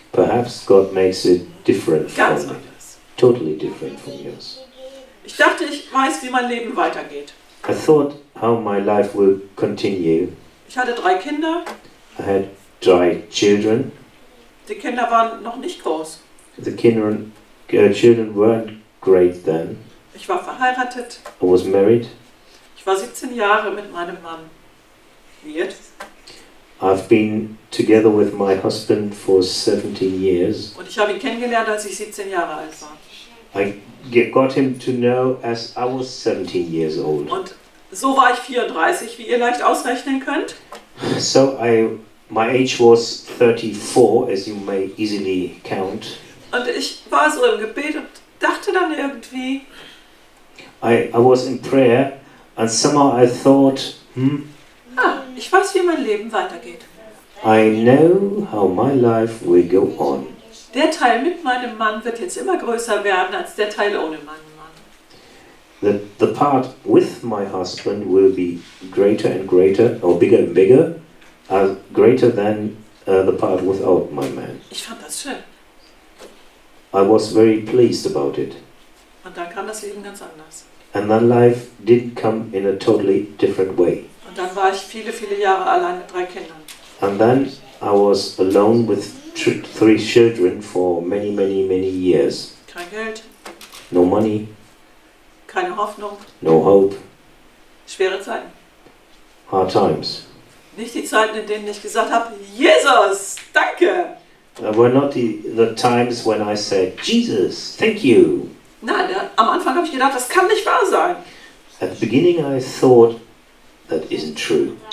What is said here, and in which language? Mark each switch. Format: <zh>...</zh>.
<en>Perhaps God makes it different</en> <de>ganz</de> <en>from</en> <de>anders.</de> <en>Me. Totally different from yours.</en> <de>Ich dachte, ich weiß, wie mein Leben weitergeht.</de> <en>I thought how my life will continue.</en> <de>Ich hatte drei Kinder.</de> <en>I had three children.</en> <de>Die Kinder waren noch nicht groß.</de> <en>The children weren't great then.</en> <de>Ich war verheiratet.</de> <en>I was married.</en> <de>Ich war 17 Jahre mit meinem Mann liiert.</de> <en>I've been together with my husband for 17 years.</en> <de>Und ich habe ihn kennengelernt, als ich 17 Jahre alt war.</de> <en>I got him to know as I was 17 years old.</en> <de>Und so war ich 34, wie ihr leicht ausrechnen könnt.</de> <en>So my age was 34, as you may easily count.</en> <de>Und ich war so im Gebet und dachte dann irgendwie.</de> <en>I was in prayer. And somehow I thought,</en> <de>ich weiß, wie mein Leben weitergeht.</de> <en>I know how my life will go on.</en> <de>Der Teil mit meinem Mann wird jetzt immer größer werden als der Teil ohne meinen Mann.</de> <en>The part with my husband will be greater and greater, or bigger and bigger, greater than the part without my man.</en> <de>Ich fand das schön.</de> <en>I was very pleased about it.</en> <de>Und dann kam das Leben ganz anders.</de> <en>And then life did come in a totally different way.</en> <de>Und dann war ich viele, viele Jahre allein mit drei Kindern.</de> <en>And then I was alone with three children for many, many, many years.</en> <de>Kein Geld.</de> <en>No money.</en> <de>Keine Hoffnung.</de> <en>No hope.</en> <de>Schwere Zeiten.</de> <en>Hard times.</en> <de>Nicht die Zeiten, in denen ich gesagt habe, Jesus, danke.</de> <en>There were not the times when I said, Jesus, thank you.</en> <de>Nein, am Anfang habe ich gedacht, das kann nicht wahr sein.</de> <en>At the beginning I thought that isn't true.</en>